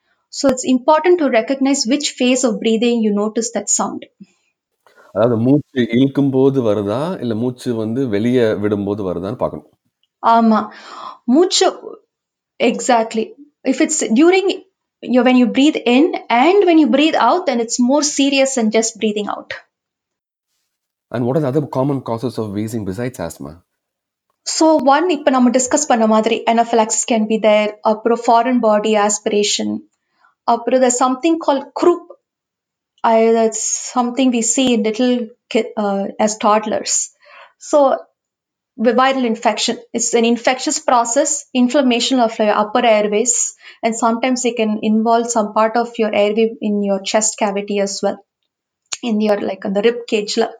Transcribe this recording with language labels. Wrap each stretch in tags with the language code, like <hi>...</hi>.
<en>So it's important to recognize which phase of breathing you notice that sound.</en> <ta>அதாவது மூச்சு இழுக்கும் போது வருதா இல்ல மூச்சு வந்து வெளியே விடும் போது வருதான்னு பார்க்கணும். ஆமா, மூச்சு exactly.</ta> <en>If it's during your when you breathe in and when you breathe out, then it's more serious than just breathing out. And what are the other common causes of wheezing besides asthma? So one,</en> <ta>இப்ப நம்ம discuss பண்ண மாதிரி</ta> <en>anaphylaxis can be there,</en> <ta>அப்புறம்</ta> <en>foreign body aspiration, அப்புறம் there's something called croup. That's something we see in little as toddlers. So viral infection, it's an infectious process, inflammation of your upper airways, and sometimes it can involve some part of your airway in your chest cavity as well, in your like on the rib cage.</en>